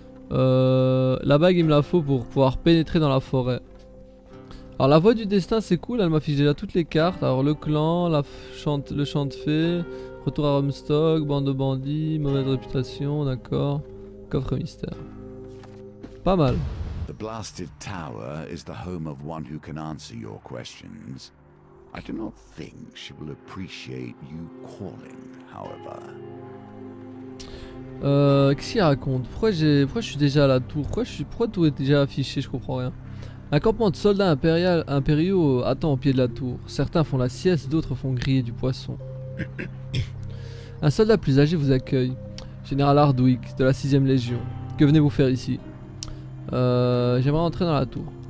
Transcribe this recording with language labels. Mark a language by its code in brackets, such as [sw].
[fr] La bague, il me la faut pour pouvoir pénétrer dans la forêt. Alors, la voix du destin, c'est cool. Elle m'affiche déjà toutes les cartes. Alors, le clan, le chant de fée. Retour à Rumstock, bande de bandits, mauvaise réputation, d'accord. Coffre mystère. Pas mal. [en] The blasted tower is the home of one who can answer your questions. I do not think she will appreciate you calling, however. [fr] Qu'est-ce qu'il raconte? Pourquoi je suis déjà à la tour? Pourquoi tout est déjà affiché? Je comprends rien. Un campement de soldats impériaux attend au pied de la tour. Certains font la sieste, d'autres font griller du poisson. Un soldat plus âgé vous accueille. Général Hardwick de la 6ème Légion. Que venez-vous faire ici? J'aimerais entrer dans la tour.